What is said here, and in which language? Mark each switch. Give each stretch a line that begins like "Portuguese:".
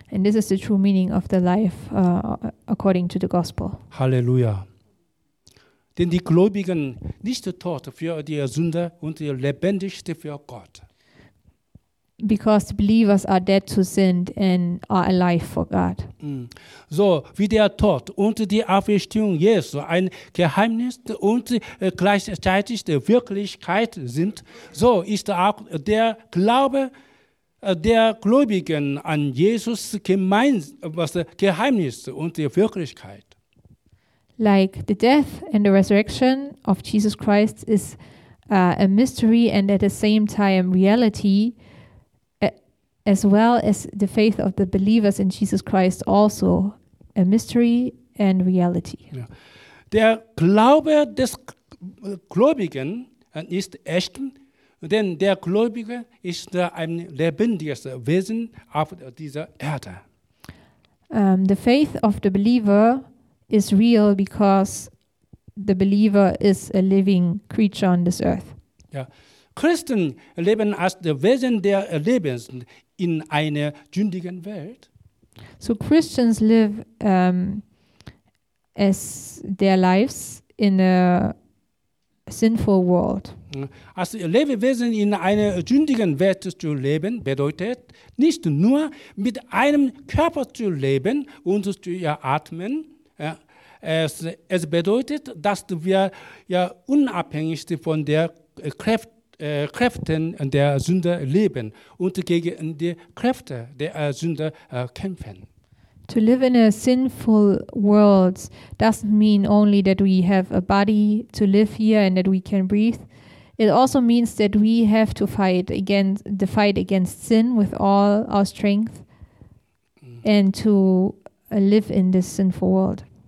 English: And this is the true meaning of the life according to the gospel.
German: Halleluja. Denn die Gläubigen nicht tot für die Sünde und lebendig für Gott.
English: Because the believers are dead to sin and are alive for God.
German: So wie der Tod und die Auferstehung Jesu ein Geheimnis und gleichzeitig die Wirklichkeit sind, so ist auch der Glaube der Gläubigen an Jesus Geheimnis und die Wirklichkeit.
English: Like the death and the resurrection of Jesus Christ is a mystery and at the same time reality, as well as the faith of the believers in Jesus Christ also a mystery and reality.
German: Ja. Der Glaube des Gläubigen ist echt, denn der Gläubige ist ein lebendiges Wesen auf dieser Erde.
English: The faith of the believer is real because the believer is a living creature on this earth.
German: Ja. Christen leben als der Wesen der Lebens in einer sündigen Welt.
English: So Christians live as their lives in a sinful world.
German: Als Lebewesen in einer sündigen Welt zu leben, bedeutet nicht nur mit einem Körper zu leben und zu atmen, ja. Es bedeutet, dass wir ja unabhängig von der Kräften der Sünde leben und gegen die Kräfte der Sünde kämpfen.
English: To live in a sinful world doesn't mean only that we have a body to live here and that we can breathe. It also means that we have to fight against sin with all our strength and to live in this sinful world.